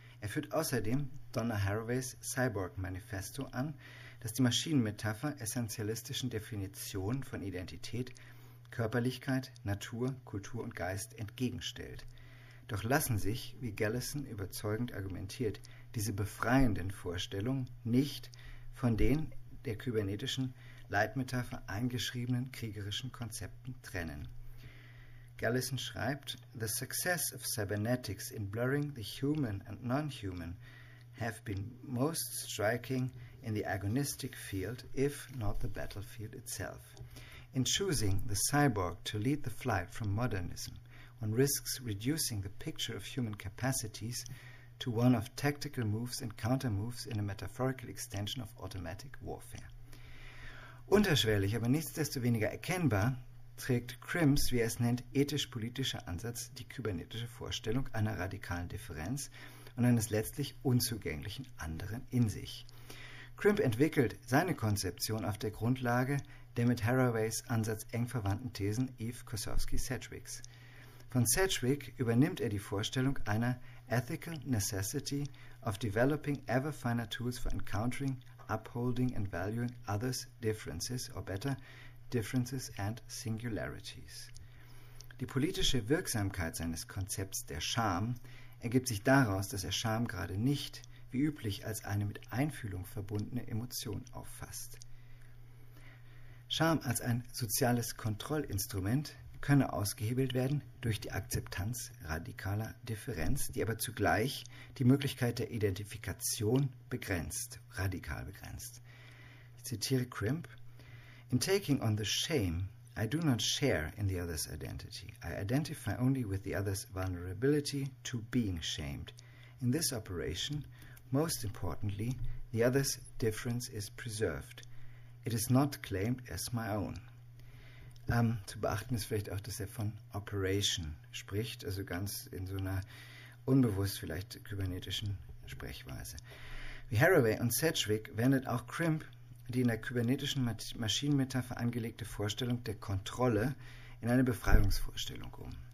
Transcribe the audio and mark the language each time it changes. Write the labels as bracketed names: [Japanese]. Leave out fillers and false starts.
[German] Er führt außerdem Donna Haraways Cyborg-Manifesto an, das die Maschinenmetapher essentialistischen Definitionen von Identität, Körperlichkeit, Natur, Kultur und Geist entgegenstellt. Doch lassen sich, wie Gallison überzeugend argumentiert, diese befreienden Vorstellungen nicht von den der kybernetischen Leitmetapher eingeschriebenen kriegerischen Konzepten trennen. Gallison schreibt, [English] "The success of cybernetics in blurring the human and non-human have been most striking in the agonistic field, if not the battlefield itself. In choosing the cyborg to lead the flight from modernism, one risks reducing the picture of human capacities to one of tactical moves and counter moves in a metaphorical extension of automatic warfare." [German] Unterschwellig, aber nichtsdestoweniger erkennbar, trägt Crimps, wie er es nennt, ethisch-politischer Ansatz die kybernetische Vorstellung einer radikalen Differenz und eines letztlich unzugänglichen anderen in sich. Crimp entwickelt seine Konzeption auf der Grundlage der mit Haraways Ansatz eng verwandten Thesen Yves Kossowski-Sedgwicks. Von Sedgwick übernimmt er die Vorstellung einer [English] ethical necessity of developing ever finer tools for encountering, upholding and valuing others' differences, or better, differences and singularities. [German] Die politische Wirksamkeit seines Konzepts der Scham ergibt sich daraus, dass er Scham gerade nicht, wie üblich, als eine mit Einfühlung verbundene Emotion auffasst. Scham als ein soziales Kontrollinstrument könne ausgehebelt werden durch die Akzeptanz radikaler Differenz, die aber zugleich die Möglichkeit der Identifikation begrenzt, radikal begrenzt. Ich zitiere Crimp: [English] "In taking on the shame, I do not share in the other's identity. I identify only with the other's vulnerability to being shamed. In this operation, most importantly, the other's difference is preserved. It is not claimed as my own." [German] Zu beachten ist vielleicht auch, dass er von Operation spricht, also ganz in so einer unbewusst vielleicht kybernetischen Sprechweise. Wie Haraway und Sedgwick wendet auch Crimp die in der kybernetischen Maschinenmetapher angelegte Vorstellung der Kontrolle in eine Befreiungsvorstellung um.